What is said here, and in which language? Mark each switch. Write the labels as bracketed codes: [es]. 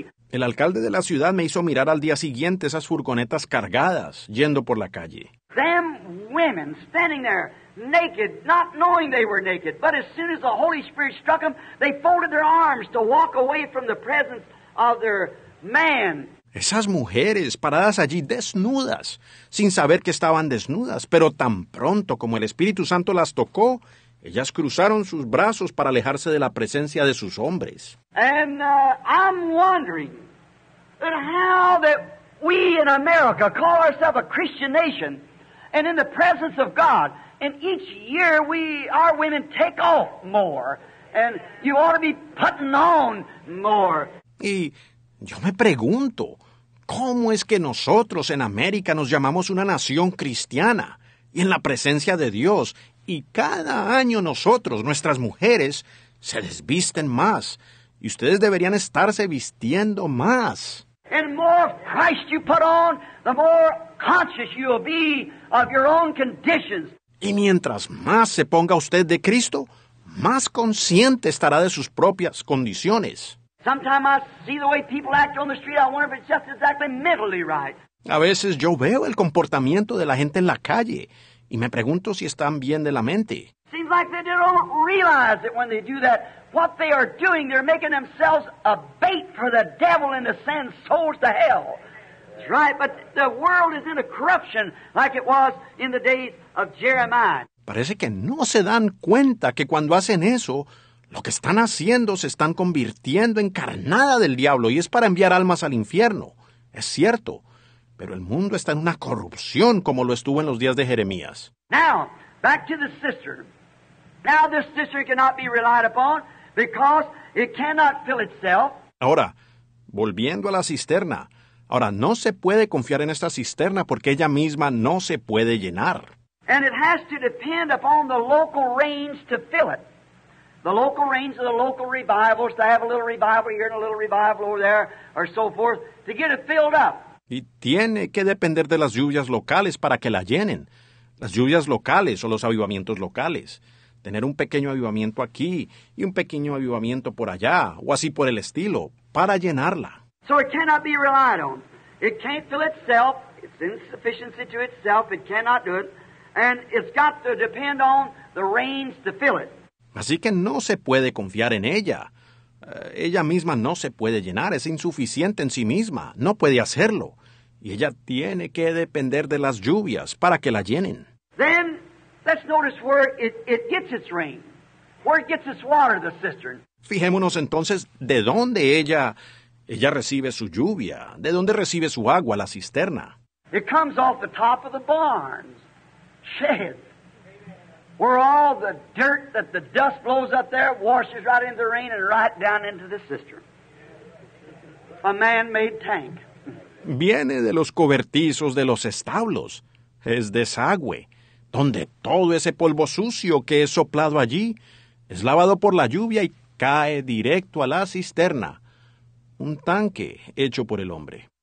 [es] El alcalde de la ciudad me hizo mirar al día siguiente esas furgonetas cargadas yendo por la calle. [en] Them women standing there. Naked, not knowing they were naked, but as soon as the Holy Spirit struck them, they folded their arms to walk away from the presence of their man. [es] Esas mujeres paradas allí desnudas, sin saber que estaban desnudas, pero tan pronto como el Espíritu Santo las tocó, ellas cruzaron sus brazos para alejarse de la presencia de sus hombres. [en] And I'm wondering that how that we in America call ourselves a Christian nation, and in the presence of God. And each year, our women take off more, and you ought to be putting on more. [es] Y yo me pregunto, ¿cómo es que nosotros en América nos llamamos una nación cristiana y en la presencia de Dios? Y cada año nosotros, nuestras mujeres, se desvisten más, y ustedes deberían estarse vistiendo más. [en] And more of Christ you put on, the more conscious you will be of your own conditions. [es] Y mientras más se ponga usted de Cristo, más consciente estará de sus propias condiciones. [en] Sometimes I see the way people act on the street, I wonder if it's just exactly mentally right. [es] A veces yo veo el comportamiento de la gente en la calle y me pregunto si están bien de la mente. [en] Seems like they don't realize that when they do that, what they are doing, they're making themselves a bait for the devil and to send souls to hell. Right, but the world is in a corruption like it was in the days of Jeremiah. [es] Parece que no se dan cuenta que cuando hacen eso, lo que están haciendo se están convirtiendo en carnada del diablo y es para enviar almas al infierno. Es cierto, pero el mundo está en una corrupción como lo estuvo en los días de Jeremías. [en] Now, back to the cistern. Now this cistern cannot be relied upon because it cannot fill itself. [es] Ahora, volviendo a la cisterna. Ahora, no se puede confiar en esta cisterna porque ella misma no se puede llenar. [en] And it has to depend upon the local rains to fill it. The local rains of the local revivals, to have a little revival here and a little revival over there, or so forth, to get it filled up. [es] Y tiene que depender de las lluvias locales para que la llenen. Las lluvias locales o los avivamientos locales. Tener un pequeño avivamiento aquí y un pequeño avivamiento por allá, o así por el estilo, para llenarla. [en] So it cannot be relied on. It can't fill itself. It's insufficiency to itself. It cannot do it. And it's got to depend on the rains to fill it. [es] Así que no se puede confiar en ella. Ella misma no se puede llenar, es insuficiente en sí misma, no puede hacerlo. Y ella tiene que depender de las lluvias para que la llenen. [en] Then, let's notice where it gets its rain, where it gets its water, the cistern. [es] Fijémonos entonces de dónde ella recibe su lluvia, de dónde recibe su agua, la cisterna. [en] It comes off the top of the barns, shed. Where all the dirt that the dust blows up there washes right into the rain and right down into the cistern. A man-made tank. [es] Viene de los cobertizos de los establos. Es desagüe, donde todo ese polvo sucio que es soplado allí es lavado por la lluvia y cae directo a la cisterna. Un tanque hecho por el hombre.